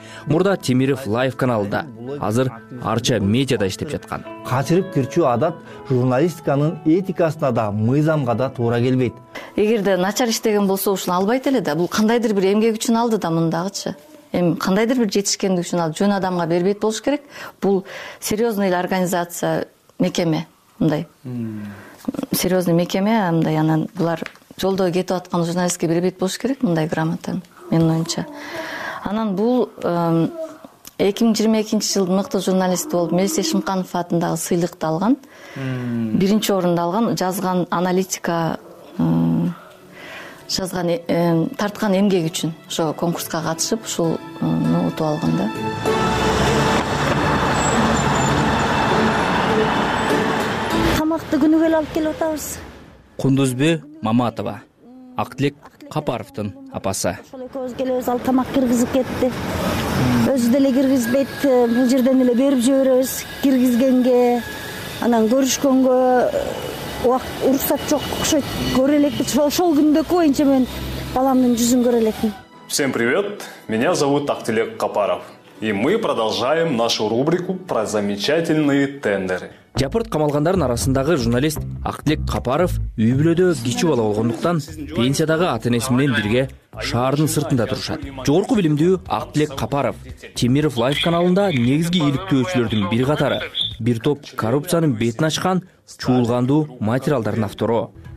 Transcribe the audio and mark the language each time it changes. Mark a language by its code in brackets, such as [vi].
[ky] Мурда Темиров Лайф каналында, азыр Арча медиада иштеп жаткан. Качырып кирчү адат журналистиканын этикасына да, мыйзамга да туура келбейт. Эгерде начар иштеген болсо, ушуну албайт эле да. Бул кандайдыр бир эмгек үчүн алды да мындагычы. Эми кандайдыр бир жетишкендик үчүн алды, жөн адамга бербейт болуш керек. Бул [ru] серьёзный организация, [ky] мекеме, мындай. Серьёзный мекеме, мындай анан булар жолдо кетип аткан журналистке бербейт болуш керек мындай грамотаны. Менин оюмча. Анан бул 2022 жылдын мыкты журналисти болуп Мелисе Шымканов атындагы сыйлыкты алган. Биринчи орунду алган, жазган аналитика, жазган тарткан эмгеги үчүн ошо конкурска катышып ушул утуп алган да. Тамакты күнүгө эле алып келип атабыз. Кундузбү Маматова, Актилек Капаровдун апасы. Ошол экөөбүз келебиз, ал тамак киргизип кетти. Өзү деле киргизбейт, бул жерден эле берип жиберебиз киргизгенге. Анан көрүшкөнгө убакыт уруксат жок окшойт. Көрө элекпиз. Ошол күндө коюнча мен баламдын жүзүн көрө элекмин. [ru] Всем привет. Меня зовут Актилек Капаров. И мы продолжаем нашу рубрику про замечательные тендеры. [ky] Жапырт камалгандардын арасындагы журналист Актилек Капаров үй бүлөдө кичи бала болгондуктан пенсиядагы ата-энеси менен бирге шаардын сыртында турушат. Жогорку билимдүү Актилек Капаров Темиров Лайф каналында негизги иликтөөчүлөрдүн бири катары бир топ коррупциянын бетин ачкан чуулгандуу материалдардын автору.